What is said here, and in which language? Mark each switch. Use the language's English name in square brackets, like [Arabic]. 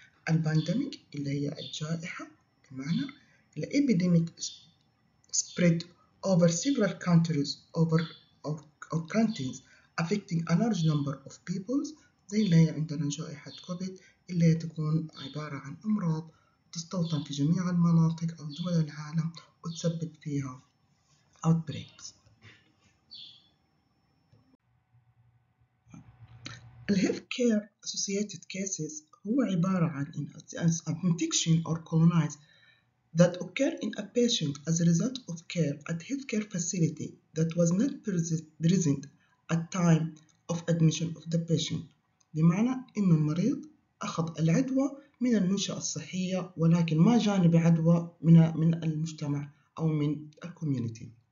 [Arabic] الباندميك اللي هي الجائحة، بمعنى الإبيديميك [English] spread over several countries over or countries affecting a large number of peoples، [Arabic] زي اللي هي عندنا جائحة كوفيد اللي هي تكون عبارة عن أمراض تستوطن في جميع المناطق أو دول العالم وتسبب فيها outbreaks. [English] الـ healthcare associated cases [Arabic] هو عبارة عن [English] infection or colonize that occur in a patient as a result of care at healthcare facility that was not present at time of admission of the patient. [Arabic] بمعنى إنه المريض أخذ العدوى من المنشأة الصحية ولكن ما جانب عدوى من المجتمع أو من الكوميونيتي.